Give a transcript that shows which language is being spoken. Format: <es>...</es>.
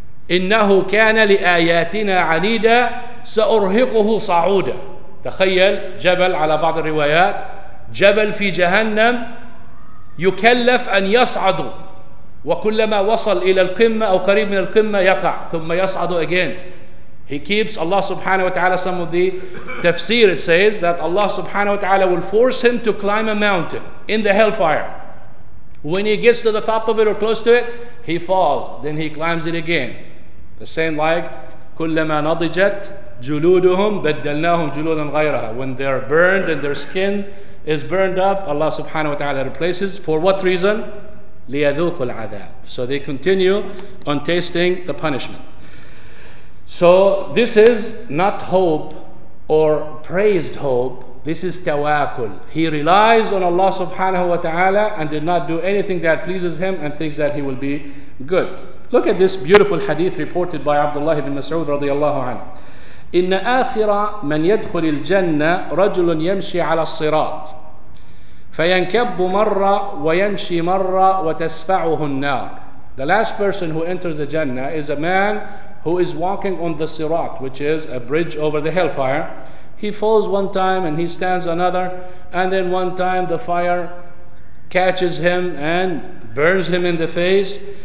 <ar>إِنَّهُ كَانَ لِآيَاتِنَا عَنِيدًا سَأُرْهِقُهُ صَعُودًا. تخيل جبل على بعض الروايات, جبل في جهنم, يكلف أن يصعد, وكلما وصل إلى القمة أو قريب من القمة يقع, ثم يصعد again.</ar> <en>He keeps, Allah subhanahu wa ta'ala, some of the tafsir, it says that Allah subhanahu wa ta'ala will force him to climb a mountain in the hellfire. When he gets to the top of it or close to it, he falls, then he climbs it again.</en> <ar>The same like كلما نضجت جلودهم بدلناهم جلودا غيرها.</ar> <en>When they're burned and their skin is burned up, Allah subhanahu wa ta'ala replaces. For what reason? لِيَذُوكُ الْعَذَابِ. So they continue on tasting the punishment. So this is not hope or praised hope. This is tawakul. He relies on Allah subhanahu wa ta'ala and did not do anything that pleases him and thinks that he will be good. Look at this beautiful hadith reported by Abdullah ibn Mas'ud radiallahu anhu.</en> <ar>إن آخر من يدخل الجنة رجل يمشي على الصراط فَيَنْكَبُّ مَرَّ وَيَمْشِي مَرَّ وَتَسْفَعُهُ النَّارِ.</ar> <en>The last person who enters the Jannah is a man who is walking on the Sirat, which is a bridge over the hellfire. He falls one time and he stands another, and then one time the fire catches him and burns him in the face.</en>